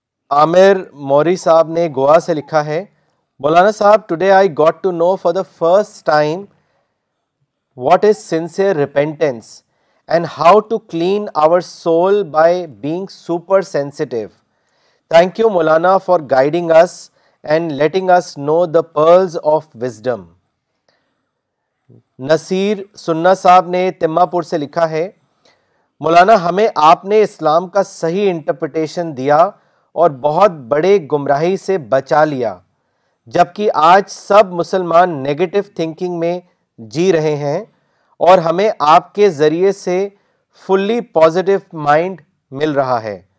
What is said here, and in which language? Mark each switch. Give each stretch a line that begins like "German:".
Urdu: عامر موری صاحب نے گوا سے لکھا ہے, مولانا صاحب
English: Today I got to know for the first time what is sincere repentance and how to clean our soul by being super sensitive. Thank you مولانا for guiding us and letting us know the pearls of wisdom.
Urdu: Naseer سننا صاحب نے تماپور سے لکھا ہے, مولانا ہمیں آپ نے اسلام کا صحیح
English: interpretation
Urdu: دیا اور بہت بڑے گمراہی سے بچا لیا, جبکہ آج سب مسلمان
English: negative thinking
Urdu: میں جی رہے ہیں اور ہمیں آپ کے ذریعے سے
English: fully positive mind
Urdu: مل رہا ہے.